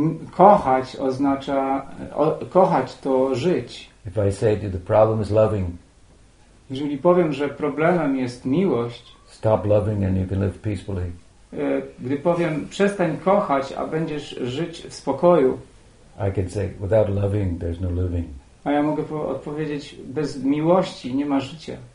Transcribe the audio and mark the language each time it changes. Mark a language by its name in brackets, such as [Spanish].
[Polish] Kochać oznacza kochać to żyć. [English] If I say to you, the problem is loving. [Polish] Jeżeli powiem, że problemem jest miłość, [English] stop loving and you can live peacefully. [Polish] Gdy powiem, przestań kochać, a będziesz żyć w spokoju, [English] I can say, without loving, there's no living. [Polish] A ja mogę odpowiedzieć, bez miłości nie ma życia.